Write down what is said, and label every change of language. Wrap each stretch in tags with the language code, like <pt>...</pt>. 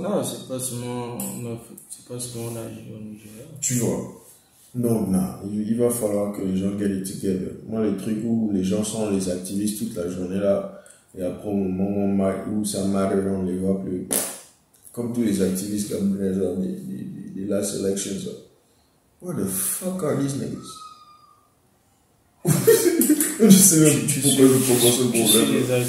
<fr>Non, c'est pas seulement en Afrique, c'est pas seulement en Algérie, en Nigeria. Tu vois. Non, il va falloir que les gens</fr> <en>get it together.</en> <fr>Moi, les trucs où les gens sont les activistes toute la journée là, et après au moment où ça matter, on les voit plus. Comme tous les activistes camerounais, les</fr> <en>last elections. What the fuck are these niggas?</en> <fr>Je sais même plus pourquoi je propose ce problème.</fr>